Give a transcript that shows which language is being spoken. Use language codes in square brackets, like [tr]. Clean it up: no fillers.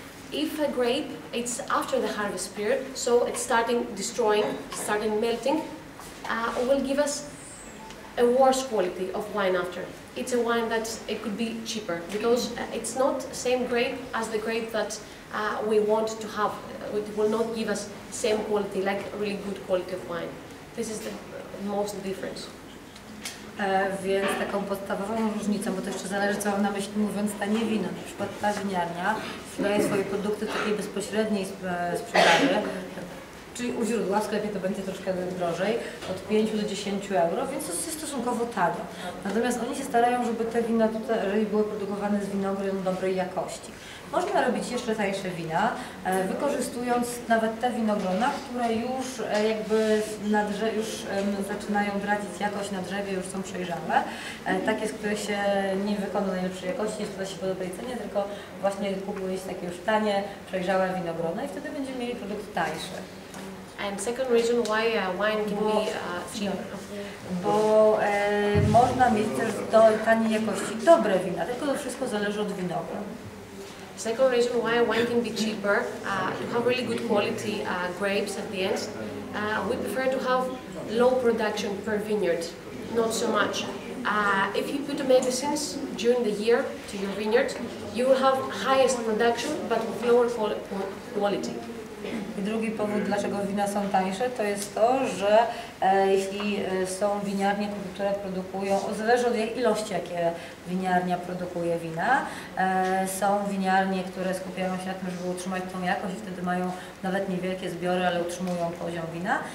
[en] If a grape, it's after the harvest period, so it's starting destroying, starting melting, will give us a worse quality of wine after. It's a wine that it could be cheaper because it's not the same grape as the grape that we want to have. It will not give us same quality, like really good quality of wine. This is the most difference? [pl] Więc taką podstawową różnicą, bo to jeszcze zależy, co mam na myśli, mówiąc tanie wino. Na przykład ta winiarnia sprzedaje swoje produkty takiej bezpośredniej sprzedaży, czyli u źródła, w sklepie to będzie troszkę drożej, od 5 do 10 euro, więc to jest stosunkowo tanio. Natomiast oni się starają, żeby te wina tutaj były produkowane z winogron dobrej jakości. Można robić jeszcze tańsze wina, wykorzystując nawet te winogrona, które już jakby na drzewie, już zaczynają tracić jakość na drzewie, już są przejrzałe. Takie, z których się nie wykona najlepszej jakości, nie sprzeda się po dobrej cenie, tylko właśnie kupuje się takie już tanie, przejrzałe winogrona i wtedy będziemy mieli produkt tańszy. [en] And second reason why wine can be cheaper. [pl] Bo można mieć też do taniej jakości dobre wina, tylko to wszystko zależy od winogron. [en] Second reason why wine can be cheaper, to have really good quality grapes at the end. We prefer to have low production per vineyard, not so much. If you put medicines during the year to your vineyard, you will have highest production but with lower quality. [pl] I drugi powód, dlaczego wina są tańsze, to jest to, że jeśli są winiarnie, które produkują, zależy od ilości, jakie winiarnia produkuje wina, są winiarnie, które skupiają się na tym, żeby utrzymać tą jakość i wtedy mają nawet niewielkie zbiory, ale utrzymują poziom wina.